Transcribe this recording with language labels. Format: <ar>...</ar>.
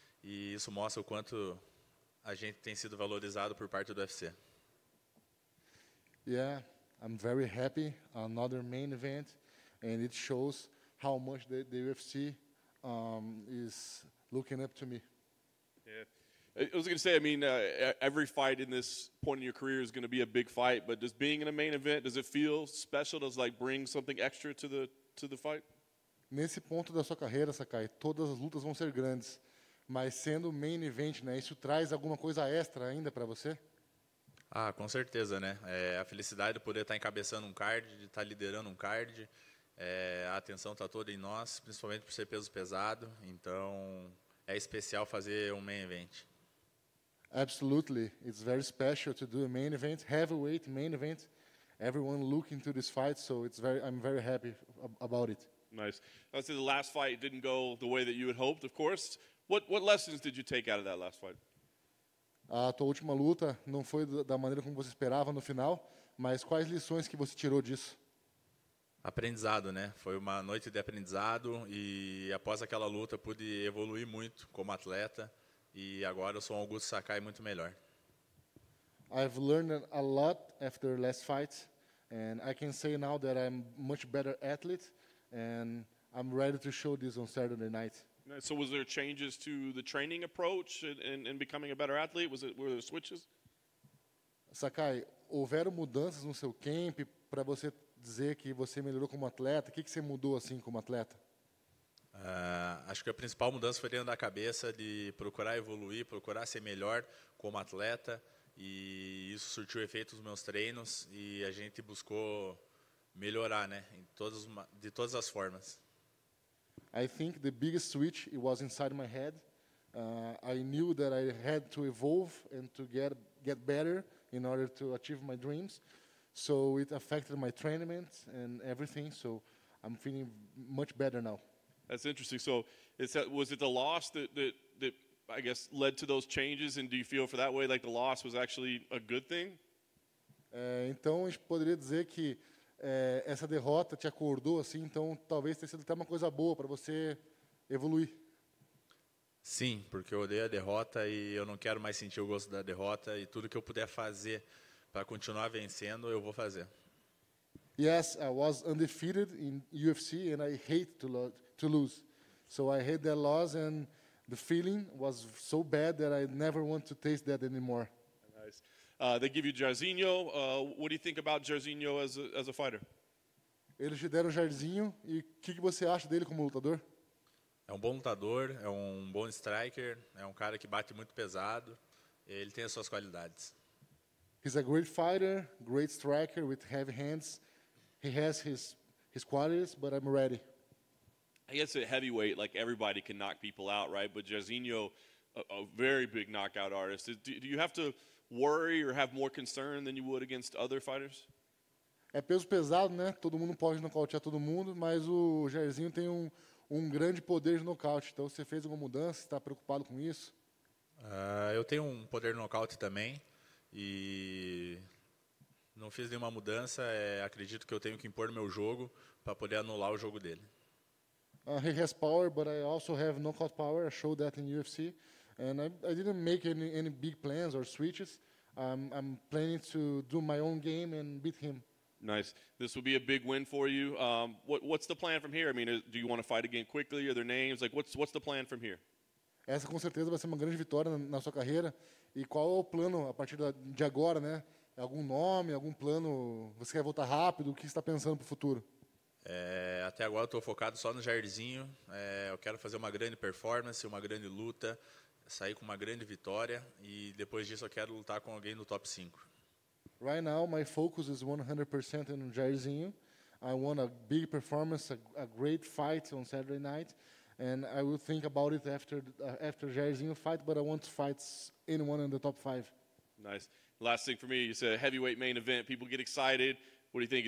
<pt>E isso mostra o quanto a gente tem sido valorizado por parte do UFC.</pt> <en>Yeah, I'm very happy. Another main event. And it shows how much the UFC is looking up to me. Yeah. I was going to say, I mean, every fight in this point in your career is going to be a big fight, but just being in a main event, does it feel special? Does it like bring something extra to the fight?</en> <pt>Nesse ponto da sua carreira, Sakai, todas as lutas vão ser grandes, mas sendo main event, né, isso traz alguma coisa extra ainda para você? Ah, com certeza, né? É a felicidade de poder estar encabeçando um card, de estar liderando um card. A atenção está toda em nós, principalmente por ser peso pesado. Então, é especial fazer um main event.</pt> <en>Absolutely, it's very special to do a main event, heavyweight main event. Everyone looking to this fight, so I'm very happy about it. Nice. Obviously, the last fight didn't go the way that you had hoped, of course. What lessons did you take out of that last fight?</en> <pt>A tua última luta não foi da maneira como você esperava no final, mas quais lições que você tirou disso? Aprendizado, né? Foi uma noite de aprendizado e após aquela luta pude evoluir muito como atleta e agora eu sou um Augusto Sakai muito melhor.</pt> <en>I've learned a lot after last fight and I can say now that I'm much better athlete and I'm ready to show this on Saturday night. So was there changes to the training approach in becoming a better athlete? Were there switches?</en> <pt>Sakai, houveram mudanças no seu camp para você dizer que você melhorou como atleta? O que você mudou assim como atleta? Acho que a principal mudança foi dentro da cabeça de procurar evoluir, procurar ser melhor como atleta. E isso surtiu efeito nos meus treinos e a gente buscou melhorar, né, de todas as formas.</pt> <en>I think the biggest switch it was inside my head. I knew that I had to evolve and to get better in order to achieve my dreams. So it affected my training and everything. So I'm feeling much better now. That's interesting. So was it the loss that I guess led to those changes? And do you feel for that way like the loss was actually a good thing?</en> <pt>Então a gente poderia dizer que essa derrota te acordou assim, então talvez tenha sido até uma coisa boa para você evoluir. Sim, porque eu odeio a derrota e eu não quero mais sentir o gosto da derrota e tudo que eu puder fazer para continuar vencendo, eu vou fazer.</pt> <en>Yes, I was undefeated in UFC and I hate to lose. So I hate that loss and the feeling was so bad that I never want to taste that anymore. Nice. They give you Jairzinho. What do you think about Jairzinho as a fighter?</en> <pt>Eles te deram Jairzinho e o que você acha dele como lutador? É um bom lutador, é um bom striker, é um cara que bate muito pesado. Ele tem as suas qualidades.</pt> <en>He's a great fighter, great striker with heavy hands. He has his qualities, but I'm ready. I guess at heavyweight, like everybody can knock people out, right? But Jairzinho, a very big knockout artist. Do you have to worry or have more concern than you would against other fighters?</en> <pt>É peso pesado, né? Todo mundo pode nocautear todo mundo, mas o Jairzinho tem um grande poder de nocaute. Então, você fez alguma mudança? Está preocupado com isso? Eu tenho um poder de nocaute também. E não fiz nenhuma mudança. Acredito que eu tenho que impor meu jogo para poder anular o jogo dele.</pt> <en>He has power, but I also have knockout power. I showed that in UFC. And I didn't make any big plans or switches. I'm planning to do my own game and beat him. Nice. This will be a big win for you. What's the plan from here? I mean, do you want to fight again quickly? Are there names? Like, what's the plan from here?</en> <pt>Essa com certeza vai ser uma grande vitória na sua carreira. E qual é o plano a partir de agora, né? Algum nome, algum plano? Você quer voltar rápido? O que você está pensando para o futuro? Até agora estou focado só no Jairzinho. Eu quero fazer uma grande performance, uma grande luta. Sair com uma grande vitória e depois disso eu quero lutar com alguém no top 5.</pt> <en>Right now my focus is 100% on Jairzinho. I want a big performance, a great fight on Saturday night and I will think about it after Jairzinho fight, but I want to fight anyone in the top 5. Nice. Last thing for me, it's a heavyweight main event. People get excited. What do you think?</en>